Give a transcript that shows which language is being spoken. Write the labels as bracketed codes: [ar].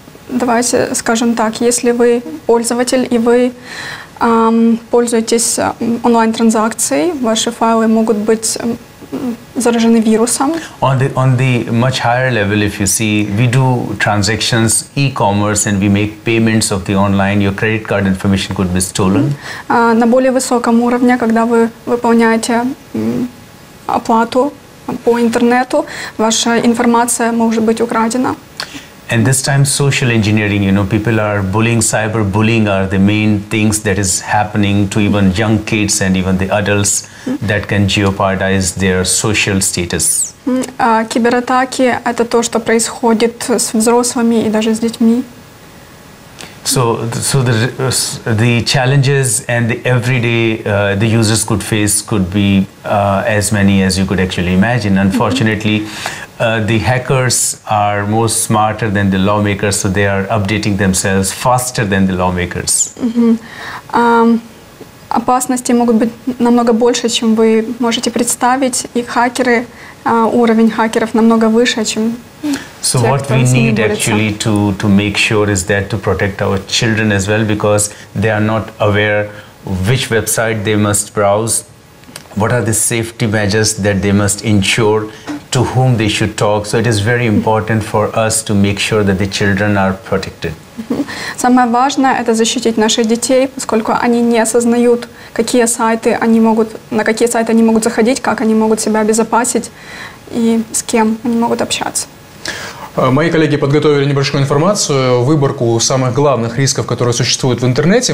[ru] Давайте скажем так, если вы пользователь и вы пользуетесь онлайн-транзакцией, ваши файлы могут быть заражены вирусом. [en] On the much higher level, if you see, we do transactions, e-commerce, and we make payments of the online, your credit card information could be stolen. [ru] На более высоком уровне, когда вы выполняете оплату по интернету, ваша информация может быть украдена. [en] And this time social engineering, you know, people are bullying, cyberbullying are the main things that is happening to even young kids and even the adults that can jeopardize their social status. [ru] Кибератаки — это то, что происходит с взрослыми и даже с детьми. [en] So the challenges and the everyday the users could face could be as many as you could actually imagine. Unfortunately, the hackers are more smarter than the lawmakers, so they are updating themselves faster than the lawmakers. [ru] Опасности могут быть намного больше, чем вы можете представить, и хакеры, уровень хакеров намного выше, чем [en] So what we need actually to make sure is that to protect our children as well, because they are not aware which website they must browse, what are the safety measures that they must ensure, to whom they should talk. So it is very important for us to make sure that the children are protected. [ru] Самое важное — это защитить наших детей, поскольку они не осознают, какие сайты они могут, на какие сайты они могут заходить, как они могут себя обезопасить и с кем они могут общаться. Мои коллеги подготовили небольшую информацию, выборку самых главных рисков, которые существуют в интернете.